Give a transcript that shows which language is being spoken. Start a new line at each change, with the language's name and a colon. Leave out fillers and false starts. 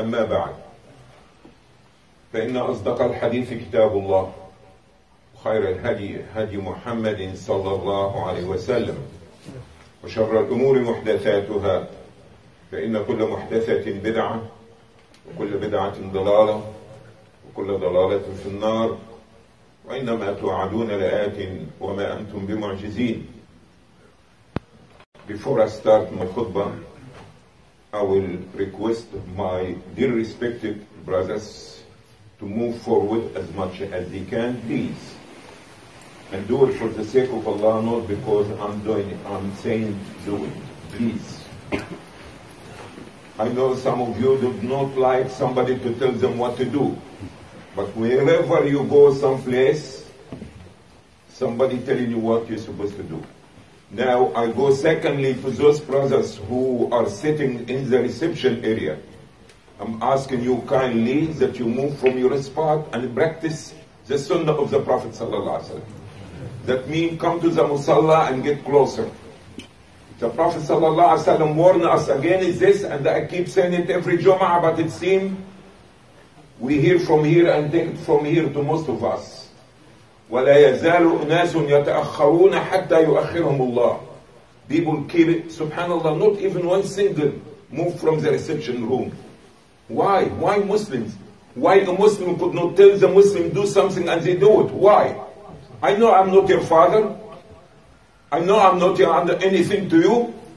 Arabic: أما بعد، فإن أصدق الحديث كتاب الله، خير الهدي هدي محمد صلى الله عليه وسلم، وشر الأمور محدثاتها، فإن كل محدثة بدعة، وكل بدعة ضلالة، وكل ضلالة في النار، وإنما توعدون لآت وما أنتم بمعجزين.
English: Before I start my khutbah, I will request my dear respected brothers to move forward as much as they can, please. And do it for the sake of Allah, not because I'm doing it. I'm saying do it, please. I know some of you do not like somebody to tell them what to do. But wherever you go someplace, somebody telling you what you're supposed to do. Now, I go secondly to those brothers who are sitting in the reception area. I'm asking you kindly that you move from your spot and practice the sunnah of the Prophet ﷺ. That means come to the musalla and get closer. The Prophet ﷺ warned us against this, and I keep saying it every Jum'ah, but it seems we hear from here and take it from here to most of us.
Arabic: ولا يزال أناس يتأخرون حتى يؤخرهم الله.
English: People keep it. Subhanallah, not even one single move from the reception room. Why? Why Muslims? Why a Muslim could not tell the Muslim do something and they do it? Why? I know I'm not your father. I know I'm not your under anything to you.